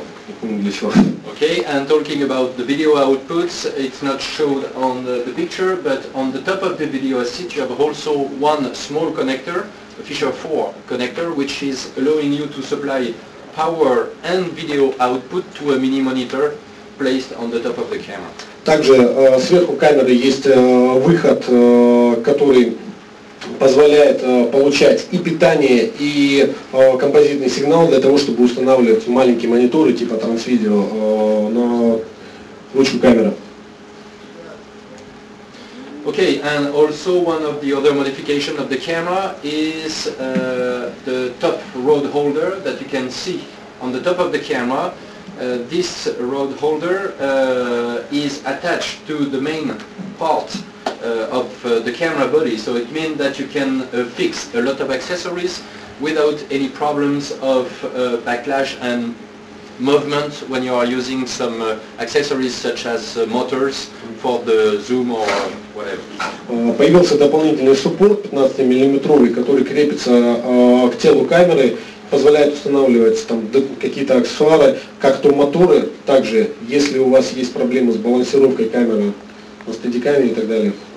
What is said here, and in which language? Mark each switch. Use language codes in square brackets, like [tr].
[en] Okay, and talking about the video outputs, it's not shown on the picture, but on the top of the video assist you have also one small connector, a Fisher 4 connector, which is allowing you to supply power and video output to a mini monitor placed on the top of the camera. [ru] Также сверху камеры есть выход, который позволяет получать и питание, и композитный сигнал для того, чтобы устанавливать маленькие мониторы типа трансвидео на ручку камеры. [en] Okay, and also one of the other modifications of the camera is the top rod holder that you can see on the top of the camera. This rod holder is attached to the main part of the camera body, so it means that you can fix a lot of accessories without any problems of backlash and movement when you are using some accessories such as motors for the zoom or whatever. [ru] Появился дополнительный суппорт 15-миллиметровый, который крепится к телу камеры, позволяет устанавливать там какие-то аксессуары, как то моторы, также если у вас есть проблемы с балансировкой камеры на стедикаме и так далее.